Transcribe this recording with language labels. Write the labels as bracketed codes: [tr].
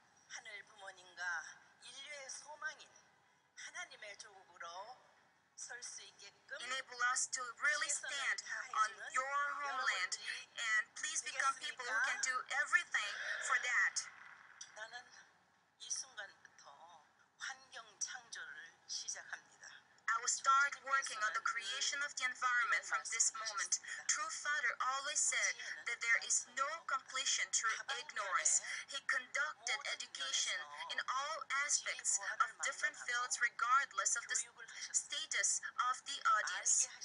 [ko] 하늘 부모님과 인류의 소망인 하나님의 조국으로 설 수 있게끔 [en] enable us to really stand on your homeland and please become people who can do everything for that. [ko] 나는 이 순간부터 환경 창조를 시작합니다. [en] I will start working on the creation of the environment from this moment. True Father always said that there is no completion through ignorance. He conducted education in all aspects of different fields regardless of the status of the audience.